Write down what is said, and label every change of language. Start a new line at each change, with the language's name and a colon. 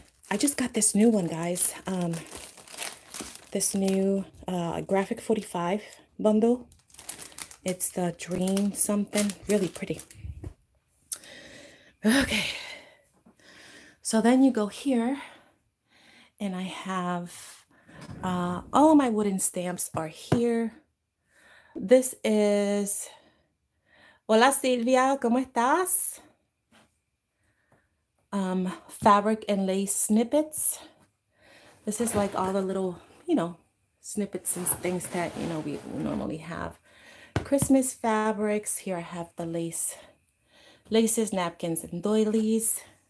English: I just got this new one, guys. This new graphic 45 bundle. It's the Dream something, really pretty. Okay. So then you go here, and I have all of my wooden stamps are here. This is,
Spanish: hola Silvia, ¿cómo estás?
English: Fabric and lace snippets. This is like all the little, you know, snippets and things that, you know, we normally have. Christmas fabrics. Here I have the laces, napkins, and doilies.